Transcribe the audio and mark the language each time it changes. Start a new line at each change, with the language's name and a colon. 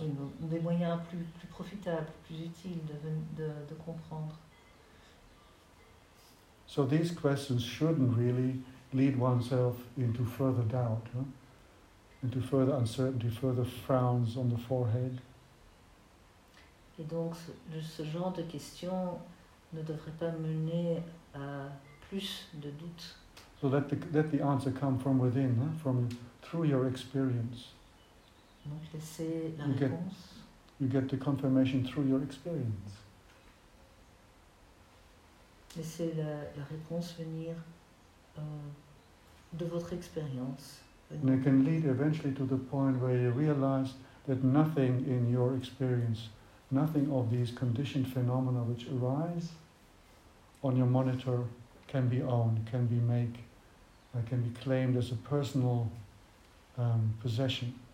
French: Oui, des moyens plus profitables, plus utiles de comprendre.
English: So these questions shouldn't really lead oneself into further doubt, huh? Into further uncertainty, further frowns on the forehead.
French: Et donc ce genre de questions ne devrait pas mener à plus de doutes.
English: So let the answer come from within, huh? From through your experience.
French: Donc laissez la réponse.
English: You get the confirmation through your experience.
French: Laissez la réponse venir de votre expérience.
English: And it can lead eventually to the point where you realize that nothing in your experience, nothing of these conditioned phenomena which arise on your monitor can be owned, can be claimed as a personal possession.